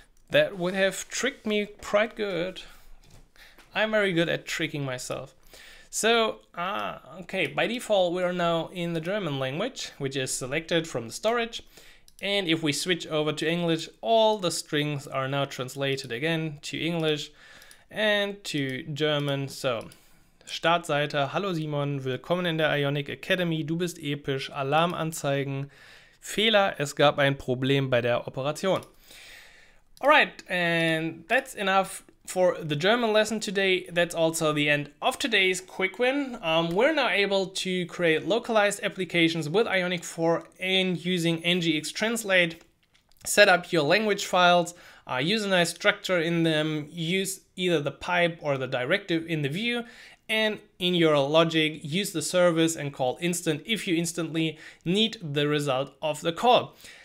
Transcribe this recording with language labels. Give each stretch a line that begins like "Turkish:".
English: That would have tricked me quite good. I'm very good at tricking myself. So, okay, by default, we are now in the German language, which is selected from the storage. And if we switch over to English, all the strings are now translated again to English and to German. So...
German: Startseite, hallo Simon, willkommen in der Ionic Academy, du bist episch, Alarmanzeigen, Fehler, es gab ein Problem bei der Operation.
English: Alright, and that's enough for the German lesson today. That's also the end of today's quick win. We're now able to create localized applications with Ionic 4 and using ngx-translate. Set up your language files, use a nice structure in them, use either the pipe or the directive in the view, and in your logic, use the service and call instant if you instantly need the result of the call.